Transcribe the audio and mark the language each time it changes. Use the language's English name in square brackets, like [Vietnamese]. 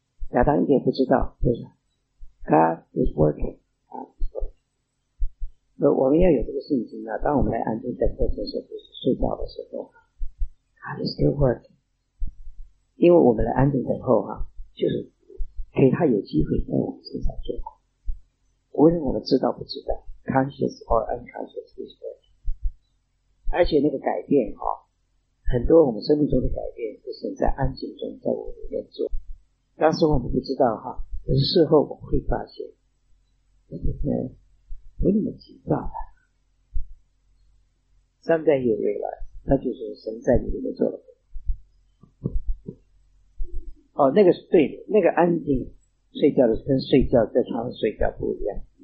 [Chinese] 亚当一点不知道，就是 [English] God is working. But [Chinese] 我们要有这个信心啊，当我们来安静在做事的时候，睡觉的时候， [English] God is still working. [Chinese] 因为我们来安静等候啊，就是给他有机会在我们身上做工。无论我们知道不知道， [English] conscious or unconscious is working. [Chinese] 而且那个改变啊，很多我们生命中的改变就是在安静中在我们里面做。当时我们不知道啊，可是事后我会发现，我今天不那么急躁了。三代有未来，那就是神在你里面做了。哦，那个是对的，那个安静睡觉的跟睡觉在床上睡觉不一样。